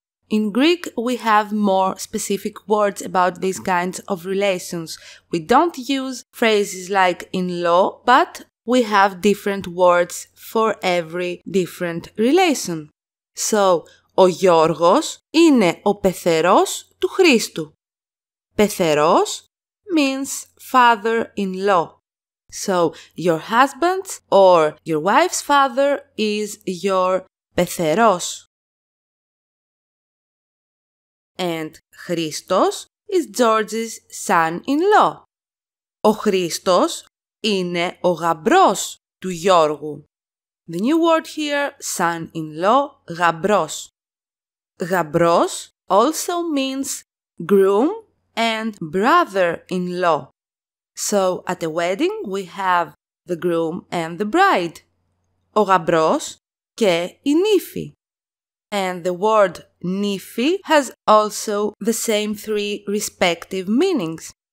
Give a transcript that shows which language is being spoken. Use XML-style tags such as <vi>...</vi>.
<en>In Greek, we have more specific words about these kinds of relations. We don't use phrases like in-law, but we have different words for every different relation.</en> <el>So, ο Γιώργος είναι ο πεθερός του Χρήστου.</el> <en>Πεθερός means father-in-law. So, your husband or your wife's father is your πεθερός. And Χρήστος is George's son-in-law.</en> <el>Ο Χρήστος είναι ο γαμπρός του Γιώργου.</el> <en>The new word here, son-in-law, γαμπρός. Γαμπρός also means groom and brother-in-law. So, at a wedding, we have the groom and the bride.</en> <el>Ο γαμπρός και η νύφη.</el> <en>And the word νύφη has also the same three respective meanings.</en>